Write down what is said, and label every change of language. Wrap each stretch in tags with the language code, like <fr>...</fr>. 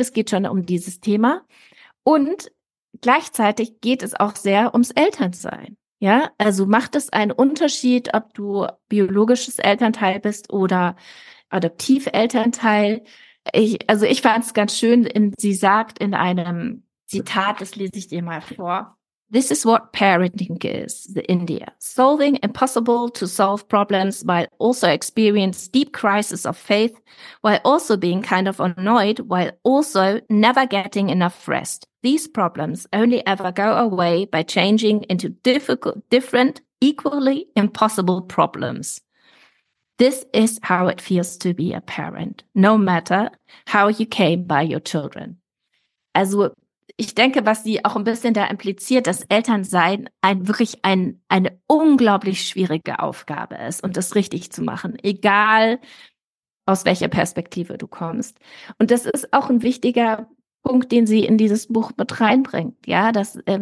<de>Es geht schon um dieses Thema. Und gleichzeitig geht es auch sehr ums Elternsein. Ja, also macht es einen Unterschied, ob du biologisches Elternteil bist oder Adoptivelternteil? Ich fand es ganz schön, sie sagt in einem Zitat, das lese ich dir mal vor.</de> <en>This is what parenting is, the India. Solving impossible to solve problems while also experience deep crisis of faith, while also being kind of annoyed, while also never getting enough rest. These problems only ever go away by changing into difficult, different, equally impossible problems. This is how it feels to be a parent, no matter how you came by your children.</en> <de>Also, ich denke, was sie auch ein bisschen da impliziert, dass Elternsein eine unglaublich schwierige Aufgabe ist und das richtig zu machen, egal aus welcher Perspektive du kommst. Und das ist auch ein wichtiger Punkt, den sie in dieses Buch mit reinbringt, ja, dass</de>